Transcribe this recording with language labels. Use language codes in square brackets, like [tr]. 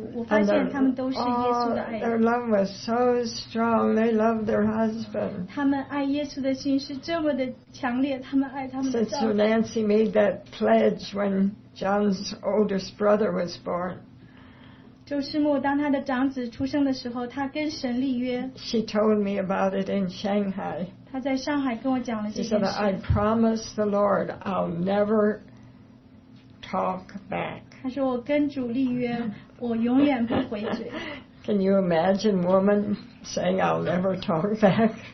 [zh] 我跟这两位女士相处，我发现她们都是耶稣的爱人。 [en] Their love was so strong. They loved their husband. [zh] 他们爱耶稣的心是这么的强烈，他们爱他们的丈夫。 [en] Sister Nancy made that pledge when John's oldest brother was born. [zh] 周师母当她的长子出生的时候，她跟神立约。 [en] She told me about it in Shanghai. [zh] 她在上海跟我讲了这件事。 [en] She said, "I promise the Lord, I'll never talk back." [zh] 他说我跟主立约，我永远不回嘴。 [en] Can you imagine woman saying I'll never talk back?